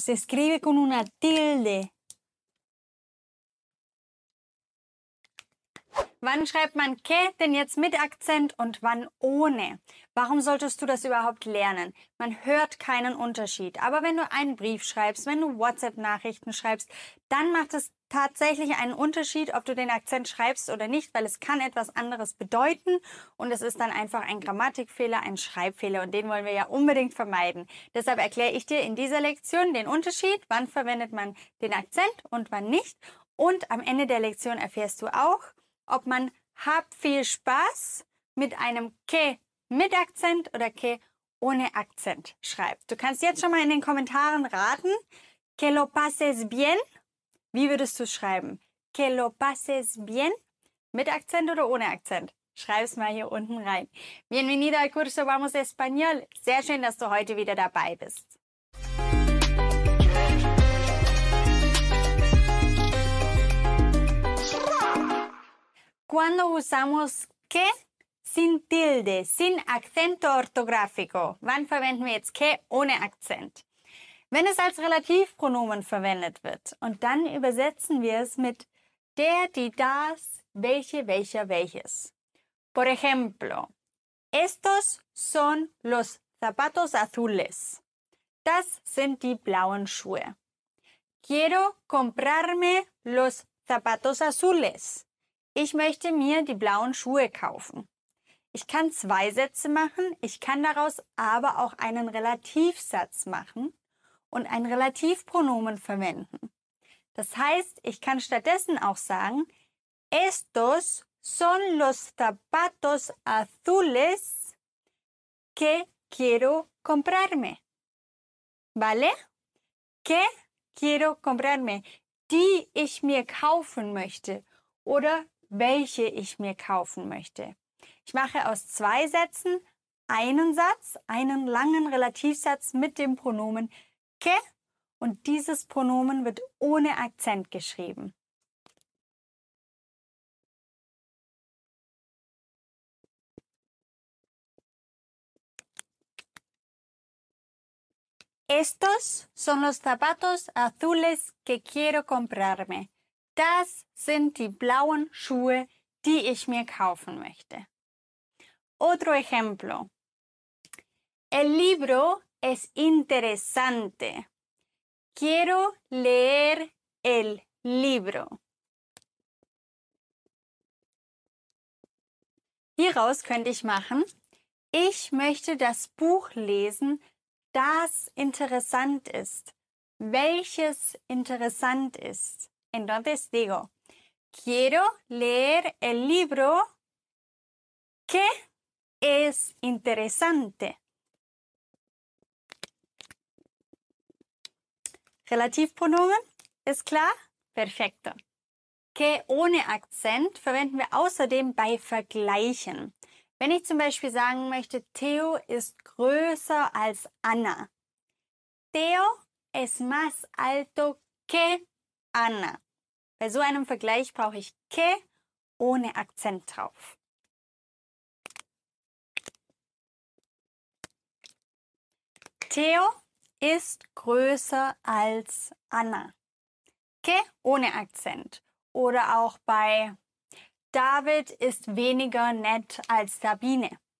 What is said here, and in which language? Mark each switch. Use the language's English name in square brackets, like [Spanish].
[Spanish] Se escribe con una tilde. [German] Wann schreibt man qué denn jetzt mit Akzent und wann ohne? Warum solltest du das überhaupt lernen? Man hört keinen Unterschied. Aber wenn du einen Brief schreibst, wenn du WhatsApp-Nachrichten schreibst, dann macht es tatsächlich einen Unterschied, ob du den Akzent schreibst oder nicht, weil es kann etwas anderes bedeuten und es ist dann einfach ein Grammatikfehler, ein Schreibfehler und den wollen wir ja unbedingt vermeiden. Deshalb erkläre ich dir in dieser Lektion den Unterschied, wann verwendet man den Akzent und wann nicht. Und am Ende der Lektion erfährst du auch, ob man hab viel Spaß mit einem que mit Akzent oder que ohne Akzent schreibt. Du kannst jetzt schon mal in den Kommentaren raten, [Spanish] que lo pases bien, [German] wie würdest du schreiben? [Spanish] Que lo pases bien, [German] mit Akzent oder ohne Akzent? Schreib es mal hier unten rein. [Spanish] Bienvenido al curso Vamos Español. [German] Sehr schön, dass du heute wieder dabei bist. [Spanish] ¿Cuándo usamos qué sin tilde, sin acento ortográfico? [German] Wann verwenden wir jetzt qué ohne Akzent? Wenn es als Relativpronomen verwendet wird und dann übersetzen wir es mit der, die, das, welche, welcher, welches. [Spanish] Por ejemplo, estos son los zapatos azules. [German] Das sind die blauen Schuhe. [Spanish] Quiero comprarme los zapatos azules. [German] Ich möchte mir die blauen Schuhe kaufen. Ich kann zwei Sätze machen, ich kann daraus aber auch einen Relativsatz machen und ein Relativpronomen verwenden. Das heißt, ich kann stattdessen auch sagen, [Spanish] estos son los zapatos azules que quiero comprarme. ¿Vale? Que quiero comprarme. [German] Die ich mir kaufen möchte. Oder welche ich mir kaufen möchte. Ich mache aus zwei Sätzen einen Satz, einen langen Relativsatz mit dem Pronomen que und dieses Pronomen wird ohne Akzent geschrieben. [Spanish] Estos son los zapatos azules que quiero comprarme. [German] Das sind die blauen Schuhe, die ich mir kaufen möchte. [Spanish] Otro ejemplo. El libro es interesante. Quiero leer el libro. [German] Hieraus könnte ich machen, ich möchte das Buch lesen, das interessant ist. Welches interessant ist? [Spanish] Entonces digo, quiero leer el libro que es interesante. [German] Relativpronomen, ist klar? Perfecto. Que ohne Akzent verwenden wir außerdem bei Vergleichen. Wenn ich zum Beispiel sagen möchte, Theo ist größer als Anna. [Spanish] Theo es más alto que Anna. [German] Bei so einem Vergleich brauche ich que ohne Akzent drauf. Theo ist größer als Anna. Que ohne Akzent. Oder auch bei David ist weniger nett als Sabine.